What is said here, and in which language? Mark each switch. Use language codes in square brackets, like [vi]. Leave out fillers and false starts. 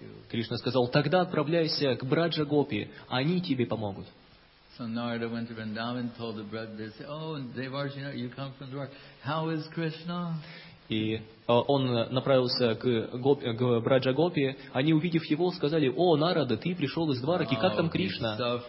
[ru] Кришна сказал, тогда отправляйся к Браджа Гопи, они тебе помогут. [en] So Narada went to Vrindavan, told the Braj, they said, oh, Devarshi, you come from Dwarka. How is Krishna? [ru] И он направился к Браджа Гопи. Они, увидев его, сказали, «О, Нарада, ты пришел из Двараки, как там Кришна?»